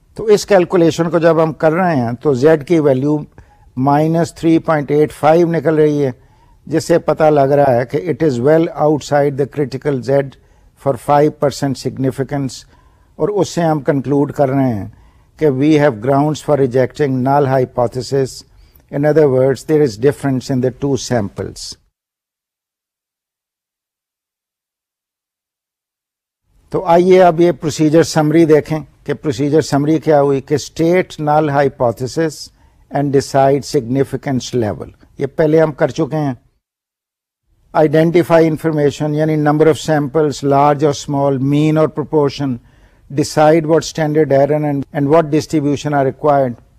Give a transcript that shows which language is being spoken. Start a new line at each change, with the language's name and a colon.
Urdu: تو اس کیلکولیشن کو جب ہم کر رہے ہیں تو زیڈ کی ویلیو مائنس 3.85 نکل رہی ہے، جس سے پتا لگ رہا ہے کہ
English: it is well out side the critical Z for 5% significance,
Urdu: اور اس سے ہم کنکلوڈ کر رہے ہیں کہ
English: We have grounds for rejecting null hypothesis. In other words there is difference in the two samples.
Urdu: تو آئیے اب یہ پروسیجر سمری دیکھیں کہ پروسیجر سمری کیا ہوئی کہ
English: State null hypothesis and decide significance level.
Urdu: یہ پہلے ہم کر چکے ہیں.
English: Identify information یعنی number of samples large اور small, mean اور proportion, decide what standard error and what distribution are required.